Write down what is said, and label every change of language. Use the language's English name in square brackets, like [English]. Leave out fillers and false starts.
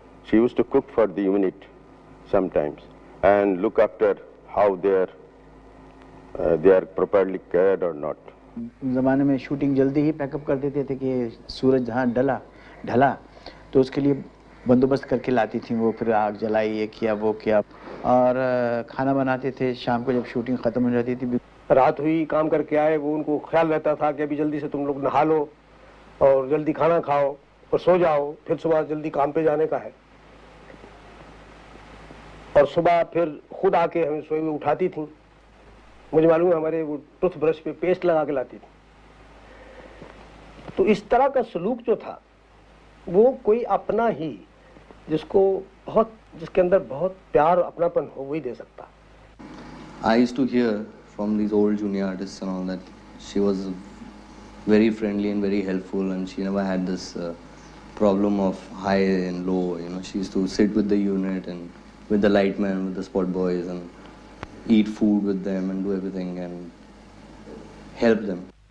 [English] She used to cook for the unit sometimes and look after how they are properly cared or not. [Hindi] जमाने में shooting जल्दी ही pack up कर देते थे कि सूरज जहाँ ढला तो उसके लिए बंदोबस्त करके लाती थी वो, फिर आग जलाई, ये किया वो किया, और खाना बनाते थे शाम को जब शूटिंग खत्म हो जाती थी। रात हुई, काम करके आए, वो उनको ख्याल रहता था कि अभी जल्दी से तुम लोग नहा लो और जल्दी खाना खाओ और सो जाओ, फिर सुबह जल्दी काम पे जाने का है। और सुबह फिर खुद आके हमें सोए हुए उठाती थी, मुझे मालूम है हमारे वो टूथ ब्रश पे पेस्ट लगा के लाती थी। तो इस तरह का सलूक जो था वो कोई अपना ही, जिसको बहुत, जिसके अंदर बहुत प्यार अपनापन हो, वही दे सकता। [English] I used to hear from these old junior artists and all that she was very friendly and very helpful and she never had this problem of high and low, you know. She used to sit with the unit and with the light man, with the spot boys, and eat food with them and do everything and help them.